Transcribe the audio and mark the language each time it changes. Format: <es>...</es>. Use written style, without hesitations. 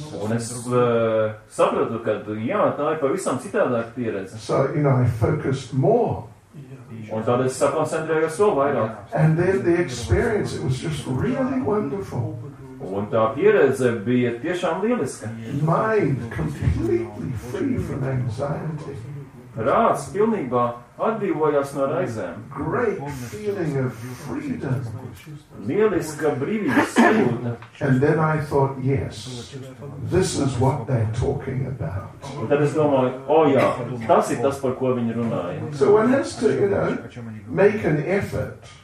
<lv>Un es sapratu, ka, jā, tā ir pavisam citādāka pieredze.</lv> <en>So, you know, I focused more.</en> <lv>Un tad es sakoncentrējos vēl vairāk.</lv> <en>And then the experience, it was just really wonderful.</en> <lv>Un tā pieredze bija tiešām lieliska.</lv> <en>Mind completely free from anxiety.</en> <lv>Rāds pilnībā atbrīvojās no raizēm.</lv> <en>Great feeling of freedom.</en> <lv>Lieliska brīvības sajūta.</lv> <en>And then I thought, yes, this is what they're talking about.</en> <lv>Un tad es domāju, oh jā, tas ir tas, par ko viņi runāja.</lv> <en>So one has to, you know, make an effort.</en>